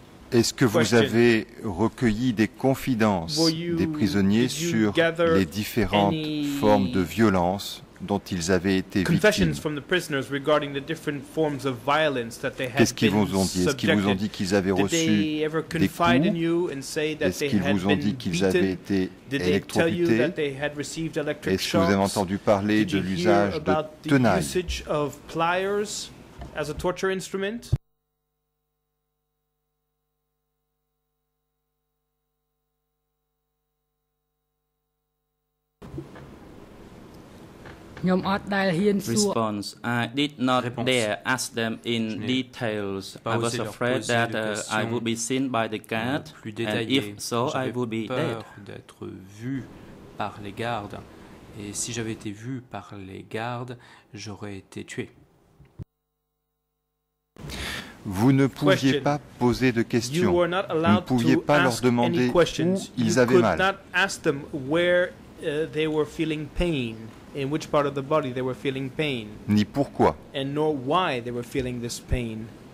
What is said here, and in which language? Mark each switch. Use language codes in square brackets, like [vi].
[fr] Est-ce que vous avez recueilli des confidences des prisonniers sur les différentes formes de violence dont ils avaient été victimes. [en] From the prisoners regarding the different forms of violence that they had been subjected. [fr] Qu'est-ce qu'ils vous ont dit? Est-ce qu'ils vous ont dit qu'ils avaient reçu des coups? [en] Did they ever confide in you and say that they had been beaten? Did they tell you that they had received electric shocks? [fr] Est-ce que vous avez entendu parler de l'usage de tenailles? [en] Did you hear about the usage of pliers as a torture instrument? Response: I did not dare ask them in details. I was afraid that I would be seen by the guard, and if so, I would be dead. [fr] J'avais peur d'être vu par les gardes, et si j'avais été vu par les gardes, j'aurais été tué. Vous ne pouviez pas poser de questions. Vous ne pouviez pas leur demander où ils avaient mal. [en] You could not ask them where they were feeling pain. In which part of the body they were feeling pain. [fr] Ni pourquoi. [en] And nor why they were feeling this pain.